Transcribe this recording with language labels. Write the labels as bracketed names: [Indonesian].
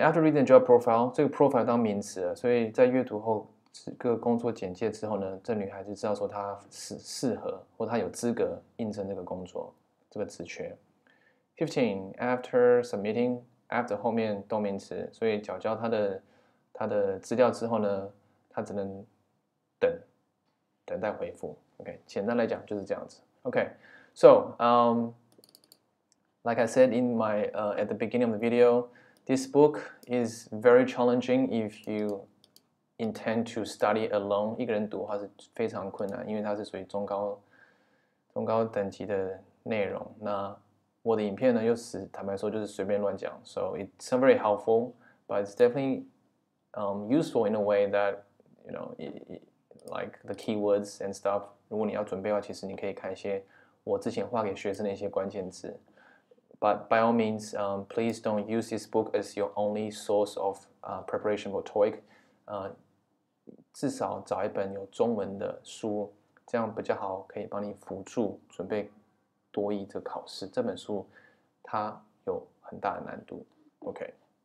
[English] After reading the job profile, [Chinese] 这个 profile 当名词了，所以在阅读后个工作简介之后呢，这女孩子知道说她适合或她有资格应征这个工作，这个职缺。15. [English] After submitting, after [Chinese] 后面动名词，所以缴交她的资料之后呢，她只能等待回复。 OK, 简单来讲就是这样子。 [English] OK, so, like I said at the beginning of the video, This book is very challenging if you intend to study alone. [Chinese] 一个人读的话是非常困难，因为它是属于中高等级的内容。那我的影片呢，又是坦白说就是随便乱讲 [English] ，so it's not very helpful, but it's definitely useful in a way that you know, like the keywords and stuff. [Chinese] 如果你要准备的话，其实你可以看一些我之前画给学生的一些关键字。 [English] But by all means, please don't use this book as your only source of preparation for TOEIC. [Chinese] 至少找一本有中文的书，这样比较好，可以帮你辅助准备多益这考试。这本书它有很大的难度。Okay.